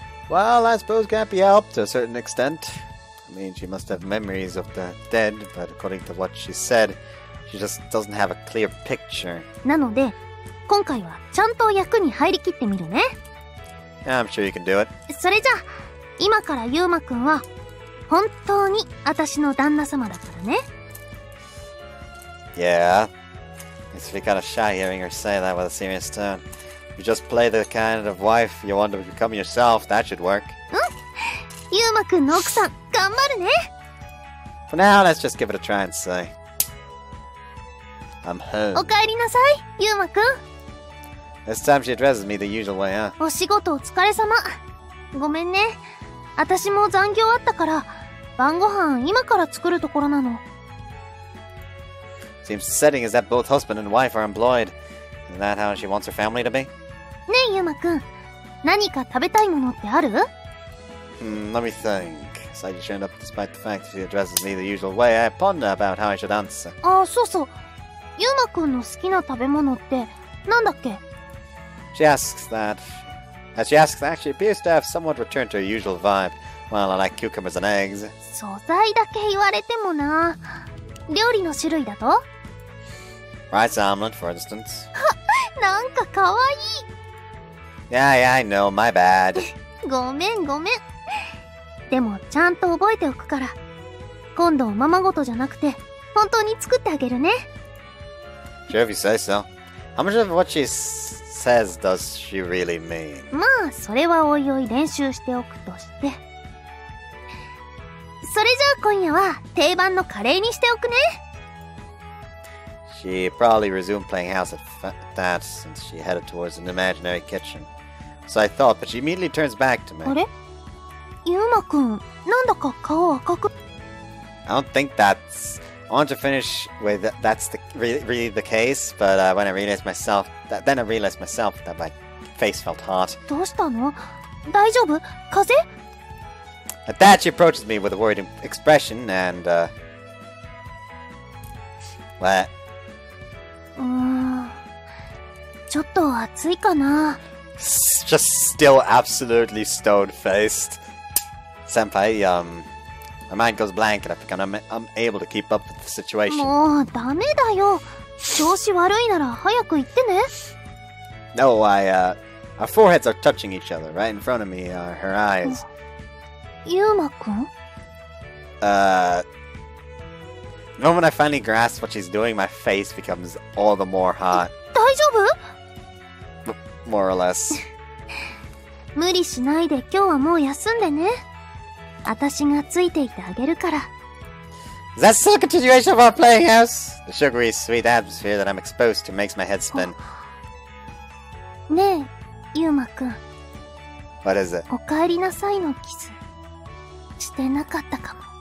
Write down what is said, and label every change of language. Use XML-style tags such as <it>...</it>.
<en>Well, I suppose can't be helped to a certain extent. I mean, she must have memories of the dead, but according to what she said, she just doesn't have a clear picture.</en> <ja>なので今回はちゃんと役に入りきってみるね。</ja> <en>I'm sure you can do it.</en> <ja>それじゃあ今からユーマくんは本当に私の旦那様だからね。</ja> <en>Yeah, it's really kind of shy hearing her say that with a serious tone. You just play the kind of wife you want to become yourself, that should work.</en> <ja>うん、ユーマくんの奥さん頑張るね。</ja> <en>For now, let's just give it a try and see. I'm home.</en> <ja>おかえりなさい、ユーマくん。</ja> <en>This time she addresses me the usual way, huh?</en> <ja>お仕事お疲れ様。ごめんね。私も残業あったから、晩ご飯今から作るところなの。</ja> <en>Seems the setting is that both husband and wife are employed. Is that how she wants her family to be?</en> <ja>ねえ、ユーマくん。何か食べたいものってある？</ja> <en>Let me think. Saki turned up despite the fact she addresses me the usual way. I ponder about how I should answer.</en> <ja>ああ、そうそう。ユーマくんの好きな食べ物ってなんだっけ？</ja> <en>As she asks that, she appears to have somewhat returned to her usual vibe. Well, I like cucumbers and eggs.</en> <ja>素材だけ言われてもな。料理の種類だと?</ja> <en>Rice omelet, for instance.</en> <ja>なんかかわいい。</ja> <en>Yeah, I know, my bad.</en> <ja>ごめんごめん。でもちゃんと覚えておくから。今度ままごとじゃなくて、本当に作ってあげるね。</ja> <en>Sure, if you say so. How much of what she says does she really mean?</en> <ja>まあ、それはおいおい練習しておくとして。それじゃあ今夜は定番のカレーにしておくね。</ja> <en>She probably resumed playing house at that since she headed towards an imaginary kitchen. So I thought, but she immediately turns back to me.</en> <ja>あれ? ユーマくん、なんだか顔赤く。</ja> <en>I don't think that's... I want to finish with that's the, really the case, but when I realized myself... Then I realized myself that my face felt hot.</en> <ja>どうしたの?大丈夫?風邪?</ja> <en>At that, she approaches me with a worried expression and, What?</en> <ja>ちょっと暑いかな?</ja> <en>Just still absolutely stone-faced. Senpai, My mind goes blank and I think I'm able to keep up with the situation.</en> <ja>もうダメだよ。調子悪いなら早く行ってね。</ja> <en>No, our foreheads are touching each other. Right in front of me are her eyes.</en> <ja>ユーマ君?</ja> <en>The moment I finally grasp what she's doing, my face becomes all the more hot.</en> <ja>大丈夫?</ja> <en>More or less.</en> <ja>無理しないで今日はもう休んでね。私がついていてあげるから。</ja> <en>Is that still a continuation of our playing house? The sugary, sweet atmosphere that I'm exposed to makes my head spin.</en> <ja>ねえ、ユーマくん。</ja> <en>What is it?</en> <ja>お帰りなさいのキス。してなかったかも。</ja>